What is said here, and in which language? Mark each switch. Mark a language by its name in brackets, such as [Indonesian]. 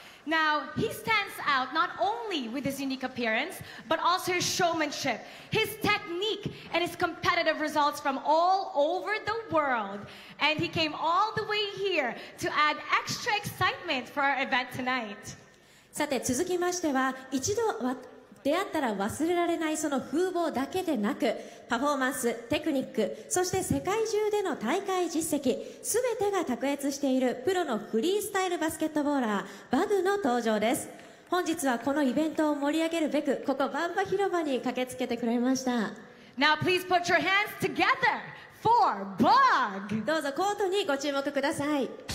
[English] Now, he stands out not only with his unique appearance, but also his showmanship, his technique, and his competitive results from all over the world. And he came all the way here to add extra excitement for our event tonight. [Japanese] さて、続きましては、一度出会ったら忘れられないその風貌だけでなく、パフォーマンス、テクニック、そして世界中での大会実績、すべてが卓越しているプロのフリースタイルバスケットボーラー、バグの登場です。本日はこのイベントを盛り上げるべく、ここバンバ広場に駆けつけてくれました。 [English] Now please put your hands together for Bug! [Japanese] どうぞコートにご注目ください。